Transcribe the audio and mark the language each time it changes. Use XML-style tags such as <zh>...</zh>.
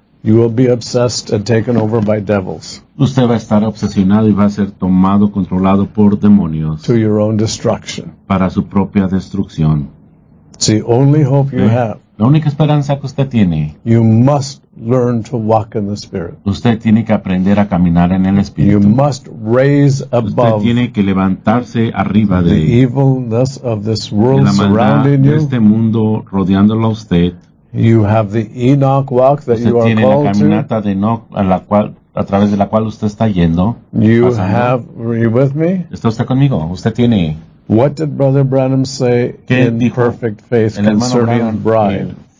<en>you will be obsessed and taken over by devils.</en> <es>Usted va a estar obsesionado y va a ser tomado, controlado por demonios.</es> <en>To your own destruction.</en> <es>Para su propia destrucción.</es> <en>It's the only hope you have.</en> <es>La única esperanza que usted tiene.</es> <en>You must learn to walk in the Spirit.</en> <es>Usted tiene que aprender a caminar en el Espíritu.</es> <en>You must raise above.</en> <es>Usted tiene que levantarse arriba de.</es> <en>The evilness of this world surrounding you.</en> <es>De este mundo rodeándolo a usted.</es> <en>You have the Enoch walk that</en> <es>usted</es> <en>you are called to.</en> <es>Usted tiene la caminata de Enoch a través de la cual usted está yendo.</es> <en>You</en> <es>pasando.</es> <en>Have. Are you with me?</en> <es>¿Está usted conmigo? Usted tiene.</es> <en>What did Brother Branham say in perfect faith concerning bride?</en>